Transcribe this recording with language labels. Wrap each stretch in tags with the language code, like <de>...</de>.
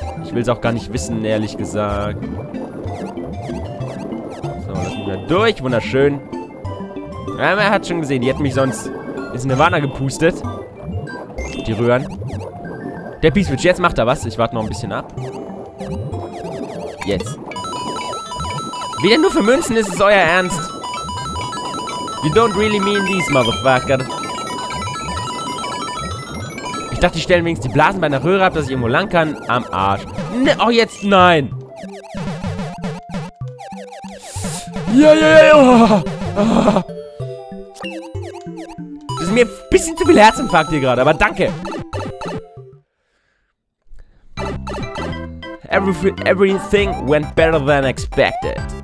<de>Ich will es auch gar nicht wissen, ehrlich gesagt. So, lass mich mal durch. Wunderschön. Ja, man hat schon gesehen, die hätten mich sonst ins Nirvana gepustet. Die Röhren. Der Peacewitch, jetzt macht er was. Ich warte noch ein bisschen ab. Jetzt. Wieder nur für Münzen, ist es euer Ernst?</de> <en>You don't really mean these, motherfucker.</en> <de>Ich dachte, die stellen wenigstens die Blasen bei einer Röhre ab, dass ich irgendwo lang kann. Am Arsch. Ne, oh, jetzt, nein. Ja, ja, ja, ja. Das ist mir ein bisschen zu viel Herzinfarkt hier gerade, aber danke.</de> <en>Everything went better than expected.</en>